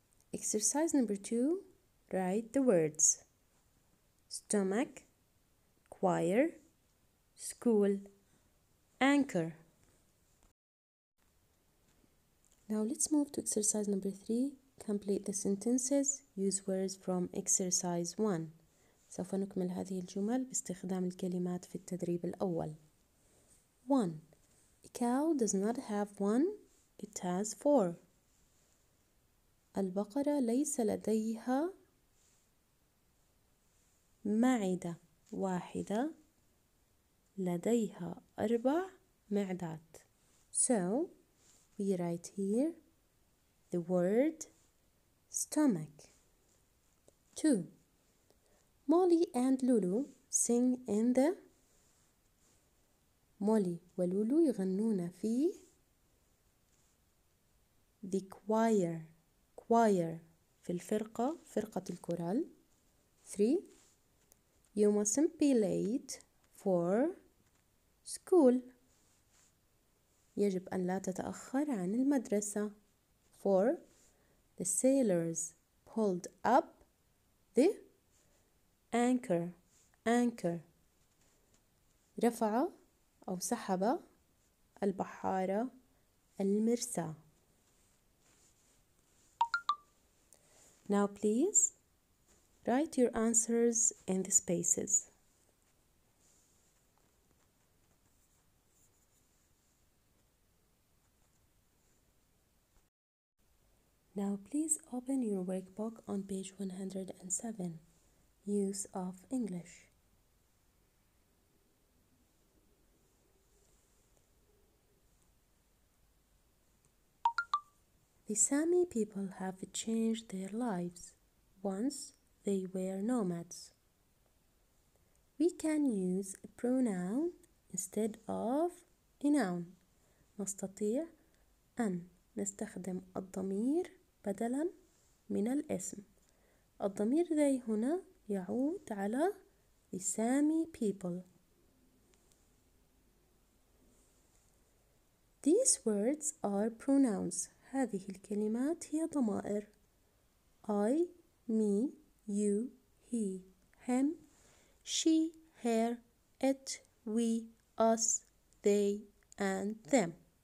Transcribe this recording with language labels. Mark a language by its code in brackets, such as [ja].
[en] Exercise number 2, write the words. Stomach, choir, school, anchor. Now let's move to exercise number 3. Complete the sentences. Use words from exercise 1. [ar] سوف نكمل هذه الجمل باستخدام الكلمات في التدريب الأول. [en] 1. A cow does not have 1, it has 4. [ar] البقرة ليس لديها معدة واحدة، لديها 4 معدات. [en] So, we write here the word stomach. 2. Molly and Lulu sing in the... [ar] Molly ولولو يغنون في... [en] the choir. [ar] Choir في الفرقة، فرقة الكورال. [en] 3. You mustn't be late for school. [ar] يجب أن لا تتأخر عن المدرسة. [en] 4. The sailors pulled up the anchor. Anchor. [ar] رفع أو سحب البحارة المرساة. [en] Now please write your answers in the spaces. Now please open your workbook on page 107. Use of English. The Sami people have changed their lives. Once they were nomads. We can use a pronoun instead of a noun. [ar] نستطيع أن نستخدم الضمير بدلا من الاسم. الضمير they هنا يعود على the Sami people. [en] These words are pronouns. [ar] هذه الكلمات هي ضمائر. [en] I, me, you, he, him, she, her, it, we, us, they, and them.